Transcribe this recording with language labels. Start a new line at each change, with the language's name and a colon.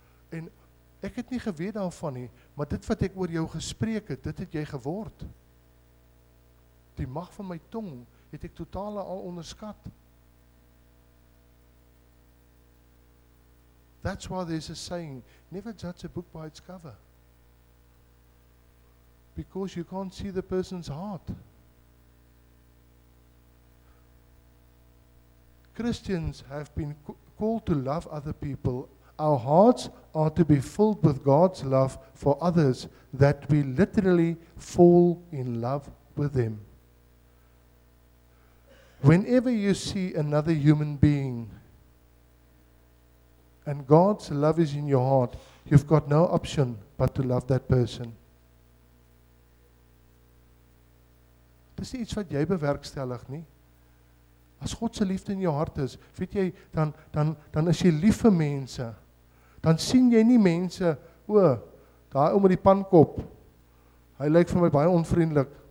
Afrikaans: En ek het nie geweet daarvan nie, maar dit wat ek oor jou gespreek het, dit het jy geword. Die mag van my tong het ek totaal al onderskat.
English: That's why there's a saying, never judge a book by its cover. Because you can't see the person's heart. Christians have been called to love other people. Our hearts are to be filled with God's love for others, that we literally fall in love with them. Whenever you see another human being and God's love is in your heart, you've got no option but to love that person.
Afrikaans: Dis nie iets wat jy bewerkstellig nie. As God se liefde in jou hart is, weet jy, dan is jy lief vir mense. Dan sien jy nie mense, o, daai ou met die pankop. Hy lyk vir my baie onvriendelik.